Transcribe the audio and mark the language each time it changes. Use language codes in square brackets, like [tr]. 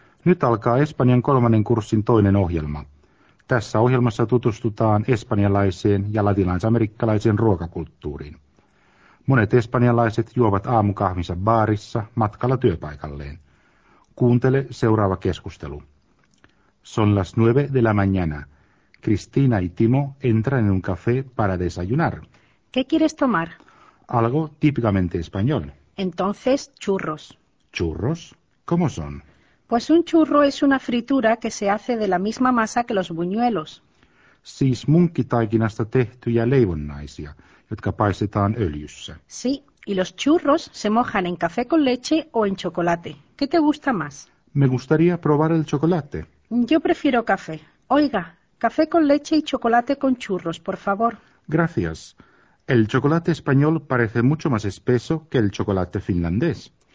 [fi] Nyt alkaa Espanjan kolmannen kurssin toinen ohjelma. Tässä ohjelmassa tutustutaan espanjalaiseen ja latinalaisamerikkalaiseen ruokakulttuuriin. Monet espanjalaiset juovat aamukahvinsa baarissa matkalla työpaikalleen. Kuuntele seuraava keskustelu. [es] Son las nueve de la mañana. Kristiina y Timo entran en un café para desayunar. ¿Qué quieres tomar? Algo típicamente español. Entonces, churros. ¿Churros? ¿Cómo son? Pues un churro es una fritura que se hace de la misma masa que los buñuelos. [fi] Siis munkkitaikinasta tehtyjä leivonnaisia, jotka paistetaan öljyssä. [es] Sí, y los churros se mojan en café con leche o en chocolate. ¿Qué te gusta más? Me gustaría probar el chocolate. Yo prefiero café. Oiga, café con leche y chocolate con churros, por favor. Gracias. El chocolate español parece mucho más espeso que el chocolate finlandés.